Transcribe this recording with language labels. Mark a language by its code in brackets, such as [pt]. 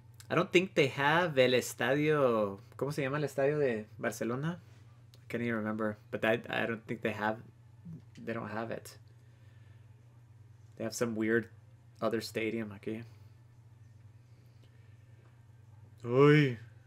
[en] I don't think they have [es] el estadio. ¿Cómo se llama el estadio de Barcelona? [en] I can't even remember. But I don't think they don't have it. They have some weird other stadium [es] aquí. Uy.